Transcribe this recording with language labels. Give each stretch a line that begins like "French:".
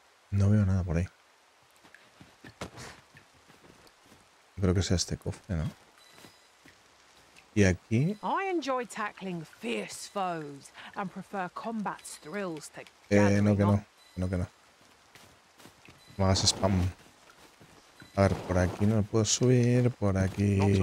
Spanish: No veo nada por ahí. Creo que sea este cofre, ¿no? Y aquí.
English: I enjoy tackling fierce foes and prefer combat thrills to
Spanish: No. No hagas spam. A ver, por aquí no puedo subir. Por aquí.